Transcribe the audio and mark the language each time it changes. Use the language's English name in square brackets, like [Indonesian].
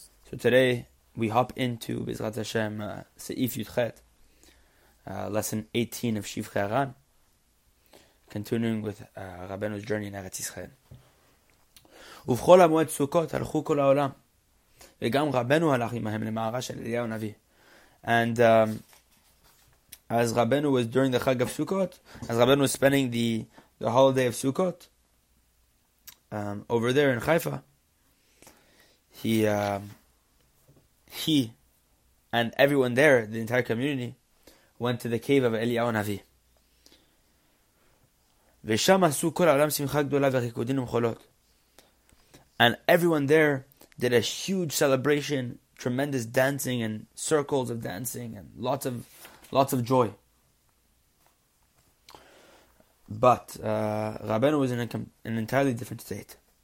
[English] So today we hop into [Hebrew] בעזרת השם סעיף י"ח, [English] lesson 18 of Shivchei Haran, continuing with רבנו's journey in ארץ ישראל. [Hebrew] ובכל המועד סוכות הלכו כל העולם. וגם רבנו הלך עמהם למערה של אליהו הנביא. [English] And as רבנו was during the Chag of Sukkot, as רבנו was spending the holiday of Sukkot, over there in Haifa, he and everyone there, the entire community, went to the cave of אליהו הנביא. [Hebrew] ושם עשו כל העולם שמחה גדולה וריקודים ומחולות. [English] And everyone there did a huge celebration, tremendous dancing and circles of dancing and lots of joy. But Rabbeinu was in an entirely different state.